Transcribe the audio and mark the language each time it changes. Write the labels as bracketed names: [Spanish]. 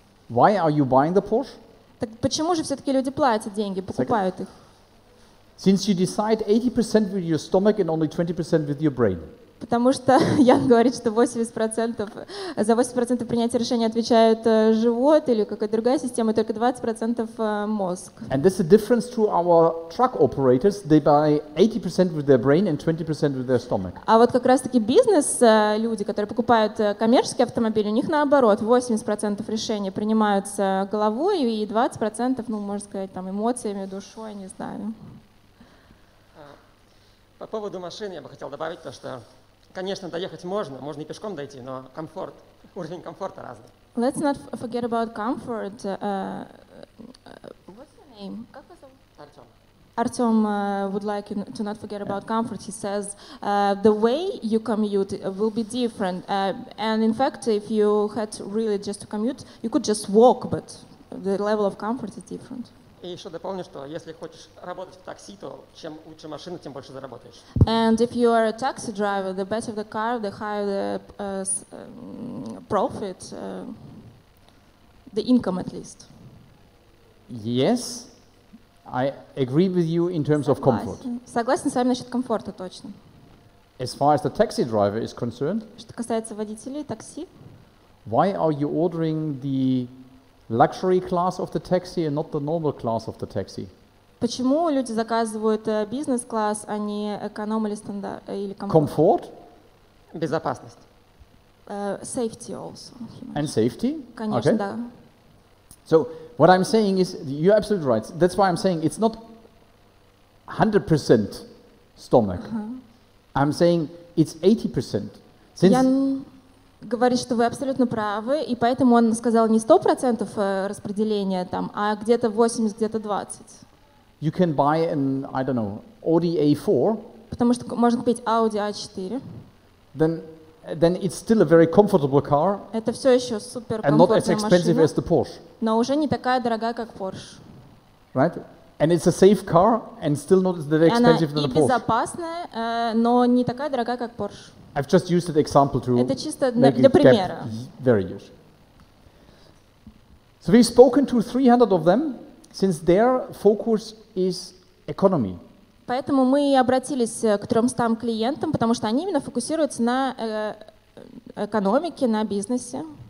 [English] Why are you buying the Porsche? [Russian] Так почему же все-таки люди платят деньги, покупают их? [English] Since you decide 80% with your stomach and only 20% with your brain. [Russian] Потому что Ян говорит, что 80%, за 80% принятия решения отвечает живот или какая-то другая система, только 20% мозг. [English] And this is a difference to our truck operators. They buy 80% with their brain and 20% with their stomach. [Russian] А вот как раз-таки бизнес люди, которые покупают коммерческие автомобили, у них наоборот, 80% решений принимаются головой и 20%, ну, можно сказать, там, эмоциями, душой, не знаю. По поводу машин я бы хотел добавить то, что, конечно, доехать можно, можно и пешком дойти, но комфорт, уровень комфорта разный. [English] Let's not forget about comfort. What's your name? [Russian] Как вас зовут? Артём. [English] Артём would like to not forget about comfort. He says the way you commute will be different. And in fact, if you had really just to commute, you could just walk, but the level of comfort is different. [Russian] И еще дополню, что если хочешь работать в такси, то чем лучше машина, тем больше заработаешь. [English] And if you are a taxi driver, the better the car, the higher the profit, the income at least. Yes, I agree with you in terms of comfort. [Russian] Согласен с вами насчет комфорта, точно. [English] As far as the taxi driver is concerned, [Russian] что касается водителей такси, [English] why are you ordering the luxury class of the taxi and not the normal class of the taxi? [Russian] Почему люди заказывают бизнес-класс, а не эконом или стандарт или комфорт? [English] Comfort? [Russian] Безопасность. [English] Safety also. And safety? [Russian] Конечно, [English] okay. [Russian] Да. [English] So what I'm saying is, you're absolutely right. That's why I'm saying it's not 100% stomach. Uh-huh. I'm saying it's 80%. [Russian] Since говорит, что вы абсолютно правы, и поэтому он сказал не 100% распределения там, а где-то 80, где-то 20. [English] You can buy an, I don't know, Audi A4. [Russian] Потому что можно купить Audi A4. [English] Then it's still a very comfortable car. [Russian] Это все еще суперкомфортная машина. [English] And not as expensive as the Porsche. [Russian] Но уже не такая дорогая, как Porsche. [English] Right? And it's a safe car and still not that expensive than the Porsche. [Russian] Она и безопасная, но не такая дорогая, как Porsche. [English] I've just used an example to [Russian] это чисто make для примера. [English] Very useful. So we've spoken to 300 of them, since their focus is economy. [Russian] Поэтому мы обратились к 300 клиентам, потому что они именно фокусируются на экономике, на бизнесе.